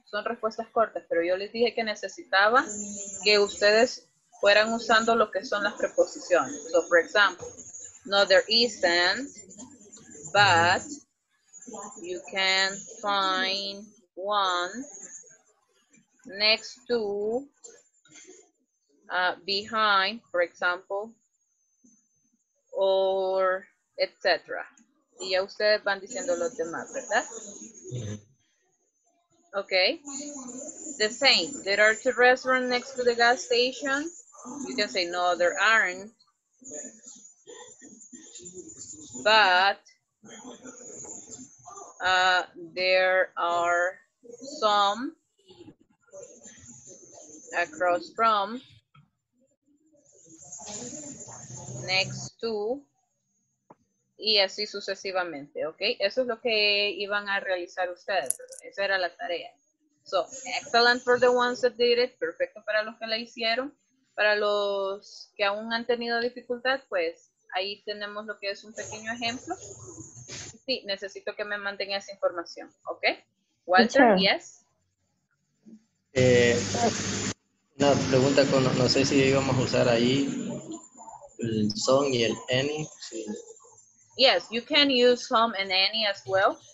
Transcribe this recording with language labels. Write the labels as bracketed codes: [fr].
[es] Son respuestas cortas, pero yo les dije que necesitaba que ustedes fueran usando lo que son las preposiciones. [en] So, for example, no, there isn't, but you can find one next to, behind, for example, or etc. [es] Y ya ustedes van diciendo los demás, ¿verdad? [en] Okay, the same. There are two restaurants next to the gas station. You can say, no, there aren't. But there are some across from next to, [es] y así sucesivamente, [en] okay? [es] Eso es lo que iban a realizar ustedes. Esa era la tarea. [en] So, excellent for the ones that did it. [es] Perfecto para los que la hicieron. Para los que aún han tenido dificultad, pues, ahí tenemos lo que es un pequeño ejemplo. Sí, necesito que me manden esa información, okay? [en] Walter, sure. Yes? [es] Una pregunta, no sé si íbamos a usar ahí el son y el any, sí. [en] Yes, you can use some and any as well.